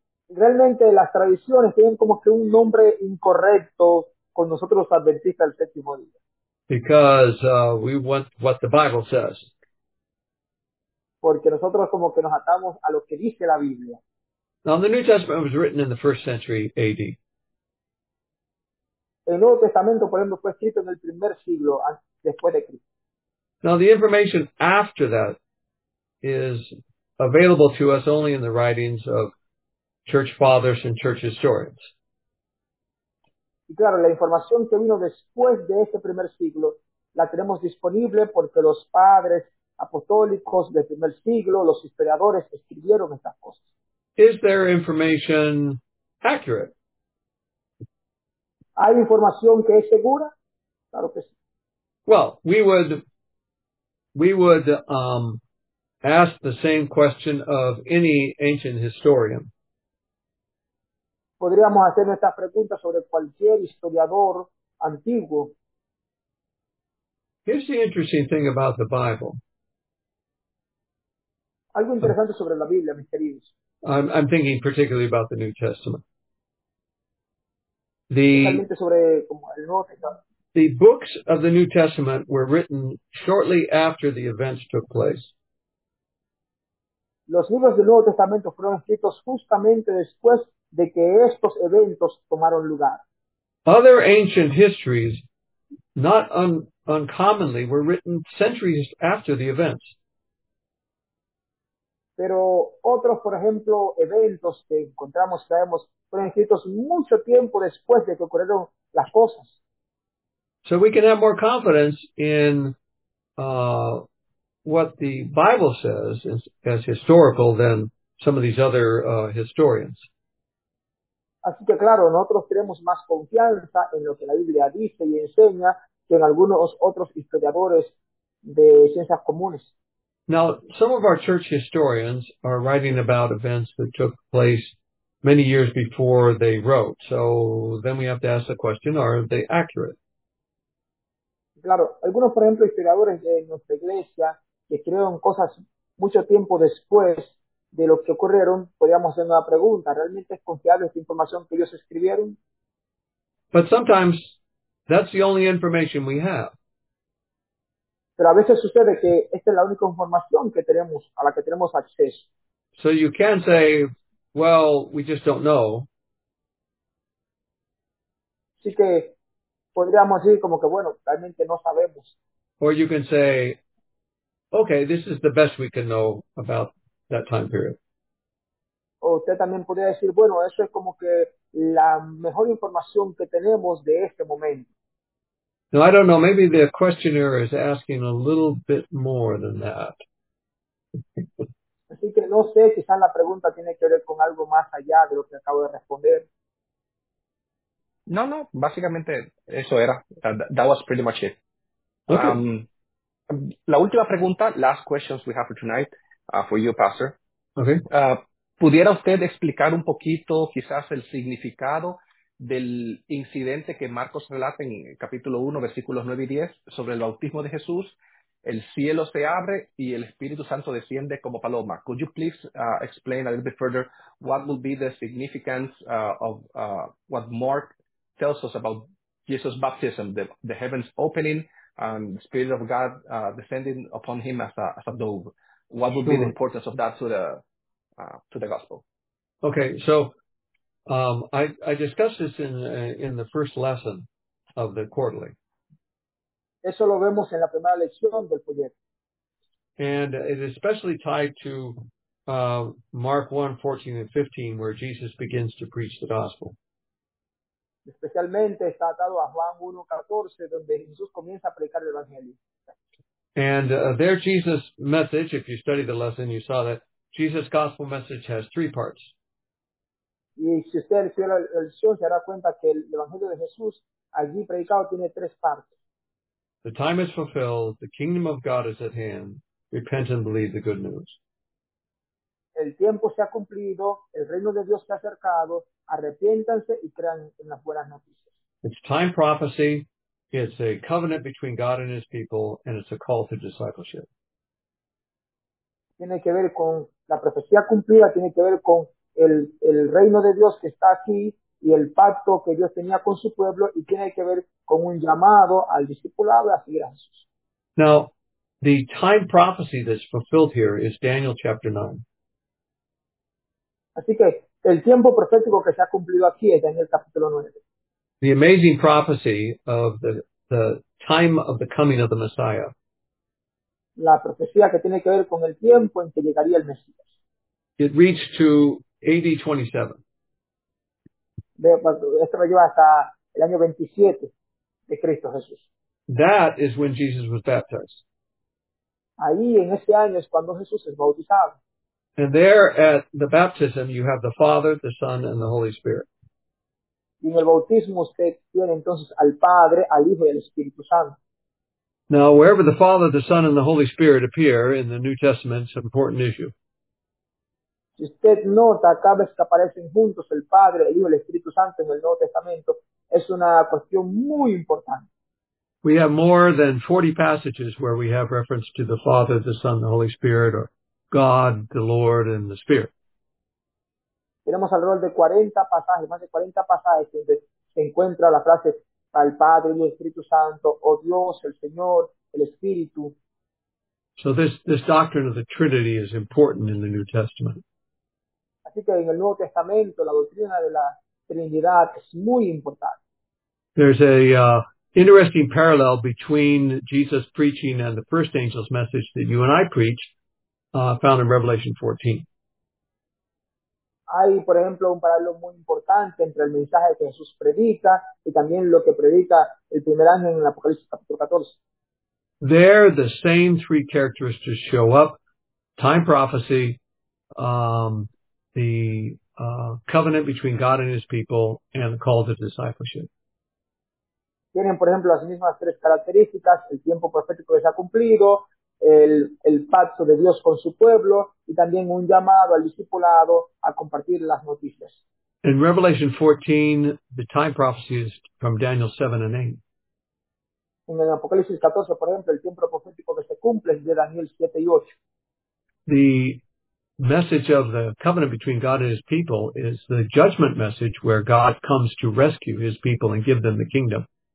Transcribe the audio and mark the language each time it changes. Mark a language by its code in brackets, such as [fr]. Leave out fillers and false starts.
[es] Realmente las tradiciones tienen como que un nombre incorrecto con nosotros adventistas del séptimo día. [en] Because we want what the Bible says. [es] Porque nosotros como que nos atamos a lo que dice la Biblia. [en] Now the New Testament was written in the first century A.D. [es] El Nuevo Testamento, por ejemplo, fue escrito en el primer siglo después de Cristo. [en] Now the information after that is available to us only in the writings of church fathers and church historians. [es] Y claro, la información que vino después de ese primer siglo la tenemos disponible porque los padres apostólicos del primer siglo, los historiadores, escribieron estas cosas. [en] Is their information accurate? [es] ¿Hay información que es segura? Claro que sí. [en] Well, we would ask the same question of any ancient historian. [es] Podríamos hacer esta pregunta sobre cualquier historiador antiguo. [en] Here's the interesting thing about the Bible. [es] Algo interesante sobre la Biblia, mis queridos. [en] I'm thinking particularly about the New Testament. The books of the New Testament were written shortly after the events took place. [es] Los libros del Nuevo Testamento fueron escritos justamente después de que estos eventos tomaron lugar. [en] Other ancient histories, not uncommonly, were written centuries after the events. [es] Pero otros, por ejemplo, eventos que encontramos, sabemos, fueron escritos mucho tiempo después de que ocurrieron las cosas. [en] So we can have more confidence in what the Bible says as historical than some of these other historians. [es] Así que claro, nosotros tenemos más confianza en lo que la Biblia dice y enseña que en algunos otros historiadores de ciencias comunes. [en] Now, some of our church historians are writing about events that took place many years before they wrote. So then we have to ask the question, are they accurate? [es] Claro, algunos, por ejemplo, historiadores de nuestra iglesia que escribieron cosas mucho tiempo después de lo que ocurrieron, podríamos hacer una pregunta. ¿Realmente es confiable esta información que ellos escribieron? [en] But sometimes that's the only information we have. [es] Pero a veces sucede que esta es la única información que tenemos, a la que tenemos acceso. [en] So you can say, well, we just don't know. [es] Así que podríamos decir como que, bueno, realmente no sabemos. [en] Or you can say, okay, this is the best we can know about that time period. [es] O usted también podría decir, bueno, eso es como que la mejor información que tenemos de este momento. [en] No, I don't know. Maybe the questioner is asking a little bit more than that. [es] Así que no sé, quizás la pregunta tiene que ver con algo más allá de lo que acabo de responder. No, básicamente eso era. [en] That was pretty much it. Okay. [es] La última pregunta, [en] last questions we have for tonight, for you, Pastor. Okay. [es] ¿Pudiera usted explicar un poquito quizás el significado del incidente que Marcos relata en capítulo 1, versículos 9 y 10, sobre el bautismo de Jesús? El cielo se abre y el Espíritu Santo desciende como paloma. [en] Could you please explain a little bit further what will be the significance of what Mark tells us about Jesus' baptism, the heavens opening and the Spirit of God descending upon him as a dove? What would be the importance of that to the gospel? Okay, so I discussed this in the first lesson of the quarterly. [es] Eso lo vemos en la primera lección del folleto. [en] And it is especially tied to Mark 1, 14 and 15, where Jesus begins to preach the gospel. [es] Especialmente está atado a Juan 1, 14, donde Jesús comienza a predicar el evangelio. [en] And there Jesus' message, if you study the lesson, you saw that Jesus' gospel message has three parts. [es] Y si usted leyó la lección, se dará cuenta que el Evangelio de Jesús allí predicado tiene tres partes. [en] The time is fulfilled. The kingdom of God is at hand. Repent and believe the good news. [es] El tiempo se ha cumplido. El reino de Dios se ha acercado. Arrepiéntanse y crean en las buenas noticias. [en] It's time prophecy. It's a covenant between God and his people, and it's a call to discipleship. [es] Tiene que ver con la profecía cumplida, tiene que ver con el reino de Dios que está aquí y el pacto que Dios tenía con su pueblo, y tiene que ver con un llamado al discipulado a seguir a Jesús. [en] Now, the time prophecy that's fulfilled here is Daniel chapter 9. [es] Así que el tiempo profético que se ha cumplido aquí es Daniel capítulo 9. [en] The amazing prophecy of the time of the coming of the Messiah. [es] La profecía que tiene que ver con el tiempo en que llegaría el Mesías. [en] It reached to AD 27. [es] Esto lo lleva hasta el año 27 de Cristo Jesús. [en] That is when Jesus was baptized. [es] Ahí en ese año es cuando Jesús es bautizado. [en] And there at the baptism you have the Father, the Son, and the Holy Spirit. [es] Y en el bautismo usted tiene entonces al Padre, al Hijo y al Espíritu Santo. [en] Now, wherever the Father, the Son, and the Holy Spirit appear in the New Testament, it's an important issue. [es] Si usted nota, cada vez que aparecen juntos el Padre, el Hijo y el Espíritu Santo en el Nuevo Testamento, es una cuestión muy importante. [en] We have more than 40 passages where we have reference to the Father, the Son, the Holy Spirit, or God, the Lord, and the Spirit. [es] Tenemos alrededor de 40 pasajes, más de 40 pasajes donde se encuentra la frase al Padre, el Espíritu Santo, o Dios, el Señor, el Espíritu. [en] So this doctrine of the Trinity is important in the New Testament. [es] Así que en el Nuevo Testamento la doctrina de la Trinidad es muy importante. [en] There's a interesting parallel between Jesus preaching and the first angel's message that you and I preach, found in Revelation 14. [es] Hay, por ejemplo, un paralelo muy importante entre el mensaje que Jesús predica y también lo que predica el primer ángel en el Apocalipsis capítulo 14. [en] There, the same three characteristics show up: time prophecy, the covenant between God and His people, and the call to discipleship. [es] Tienen, por ejemplo, las mismas tres características: el tiempo profético que se ha cumplido, el pacto de Dios con su pueblo, y también un llamado al discipulado a compartir las noticias. [en] In Revelation 14, the time prophecy is from Daniel 7 and 8. [es] En el Apocalipsis 14, por ejemplo, el tiempo profético que se cumple es de Daniel 7 y 8. [en] The message of the covenant between God and his people is the judgment message where God comes to rescue his people and give them the kingdom.